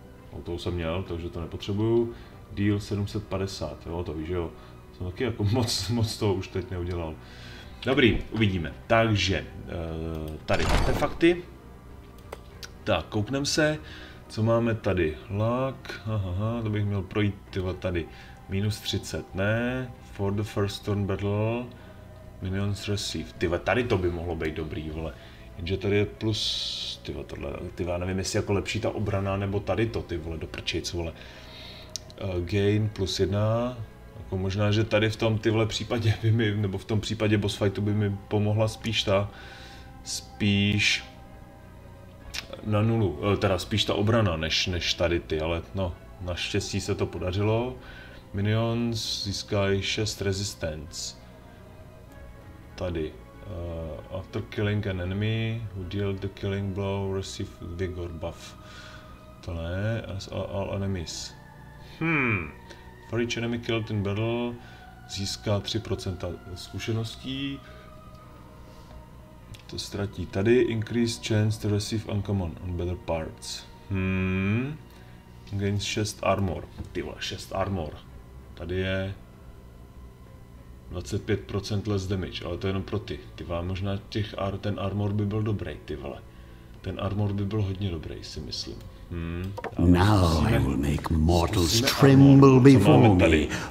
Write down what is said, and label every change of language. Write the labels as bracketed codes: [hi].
[cs] O toho jsem měl, takže to nepotřebuju. [en] Deal 750, [cs] jo, to víš, jo. Jsem taky jako moc toho už teď neudělal. Dobrý, uvidíme. Takže, tady artefakty. Tak, koukneme se, co máme tady. Luck, aha, to bych měl projít, tyhle tady. Minus 30, ne. [en] For the first turn battle, minions receive. [cs] Tyhle, tady to by mohlo být dobrý, vole. Jenže tady je plus, tyva, nevím, jestli jako lepší ta obrana, nebo tady to, ty vole, do prčic, vole. [en] Gain plus 1, [cs] jako možná, že tady v tom tyhle případě by mi, nebo v tom případě boss fightu by mi pomohla spíš na nulu, teda spíš ta obrana, než tady ty, ale no, naštěstí se to podařilo. Minions získají 6 resistance. Tady. [en] After killing an enemy who dealt the killing blow, receive vigor buff. [cs] To ne, [en] as all enemies. For each enemy killed in battle, [cs] získá 3% zkušeností. To ztratí tady. [en] Increased chance to receive uncommon and better parts. Gains 6 armor. [cs] Ty vole, 6 armor. Tady je [en] 25% less damage, [cs] ale to je jenom pro ty. Ty vole, možná těch ten armor by byl dobrý, ty vole. Ten armor by byl hodně dobrý, si myslím. [en] Now I will make mortals tremble before me.